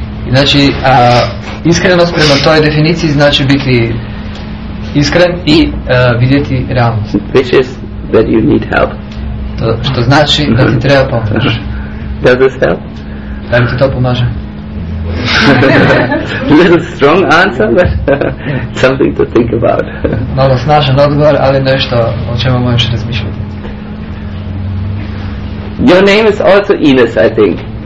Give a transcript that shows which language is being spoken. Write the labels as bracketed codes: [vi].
[hr] Znači, iskrenost prema toj definiciji znači biti iskren i vidjeti realnost. [en] Which is that you need help. [hr] To, što znači da ti treba pomoć. [en] Does this help? [hr] Da mi ti to pomaže. [en] Little strong answer, but something to think about. [hr] Malo snažan odgovor, ali nešto o čemu možeš razmišljati. [en] Your name is also Ines, I think.